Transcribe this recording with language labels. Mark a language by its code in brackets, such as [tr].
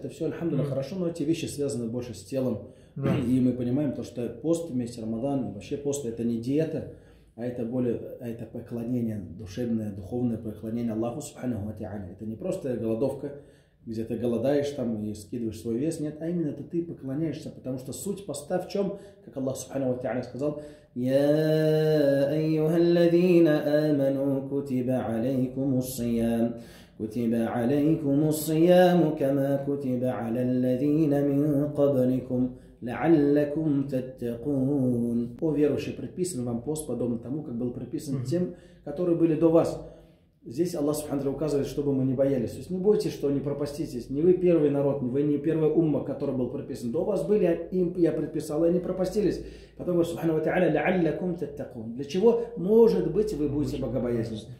[ru] Это все, альхамдулиллах, хорошо, но эти вещи связаны больше с телом. И мы понимаем, то, что пост в месяц Рамадан, вообще пост это не диета, а это более, а это поклонение, душевное, духовное поклонение Аллаху Субхану ва Тааля. Это не просто голодовка, где ты голодаешь там и скидываешь свой вес. Нет, а именно это ты поклоняешься, потому что суть поста в чем, как Аллах Субхану ва Тааля сказал: [ar] «Я айюха ладзина аману кутиба алейкуму ссиям». كتب عليكم الصيام كما كتب على الذين من قبلكم لعلكم تتقون. [ru] О верующие, предписан вам пост подобно тому, как был предписан тем, которые были до вас. Здесь Аллах Субхану указывает, чтобы мы не боялись. То есть не бойтесь, что не пропаститесь. Не вы первый народ, вы не первая умма, который был предписан. До вас были, им я предписал, и они пропастились. Потом Субхану ва Тааля [ar] лаалякум таттакун. [ru] Для чего? Может быть, вы будете богобоязнены.